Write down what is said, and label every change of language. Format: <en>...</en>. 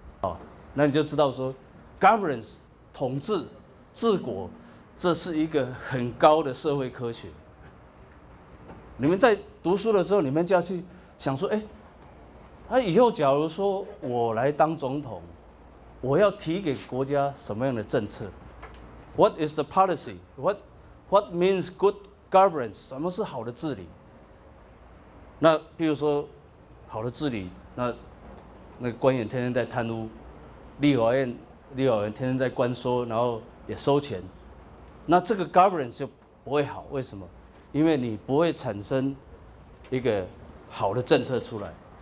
<zh>哦，那你就知道说 governance 统治治国，这是一个很高的社会科学。你们在读书的时候，你们就要去想说，哎。那以后假如说我来当总统，我要提给国家什么样的政策 ？</zh> <en>What is the policy? What means good governance?</en> <zh>什么是好的治理？那譬如说好的治理，那个官员天天在贪污，立法院天天在官说，然后也收钱，那这个 governance 就不会好。为什么？因为你不会产生一个好的政策出来。</zh>